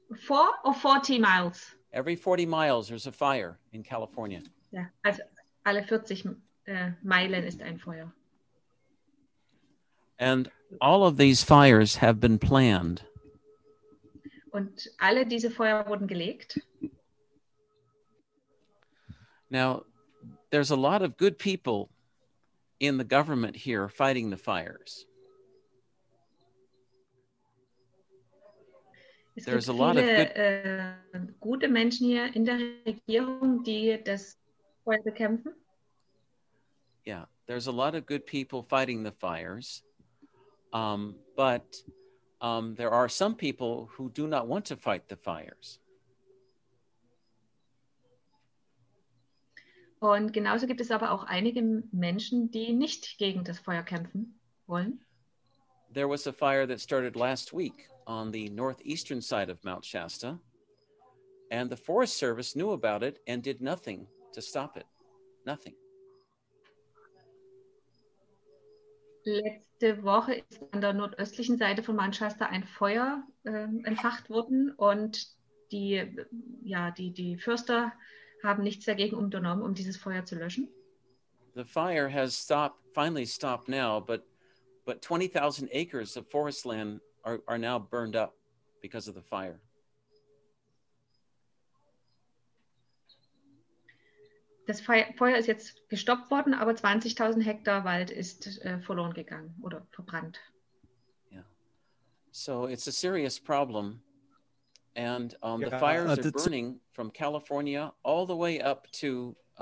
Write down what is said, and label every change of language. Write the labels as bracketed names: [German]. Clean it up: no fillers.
[English] 4 or 40 miles? Every 40 miles there's a fire in California. [German] Ja, also alle 40 Meilen ist ein Feuer. [English] And all of these fires have been planned. [German] Und alle diese Feuer wurden gelegt. [English] Now, there's a lot of good people in the government here fighting the fires. There's a lot of [German] gute Menschen hier in der Regierung, die das Feuer bekämpfen. [English] Yeah, there's a lot of good people fighting the fires. But there are some people who do not want to fight the fires. [German] Und genauso gibt es aber auch einige Menschen, die nicht gegen das Feuer kämpfen wollen. [English] There was a fire that started last week on the northeastern side of Mount Shasta, and the Forest Service knew about it and did nothing to stop it. Nothing. [German] Letzte Woche ist an der nordöstlichen Seite von Mount Shasta ein Feuer entfacht worden und die Förster haben nichts dagegen unternommen, um dieses Feuer zu löschen. [English] The fire has stopped, finally stopped now, but 20,000 acres of forest land are now burned up because of the fire. [German] Das Feuer ist jetzt gestoppt worden, aber 20.000 Hektar Wald ist verloren gegangen oder verbrannt. [English] Yeah. So it's a serious problem. And the fires are burning from California all the way up to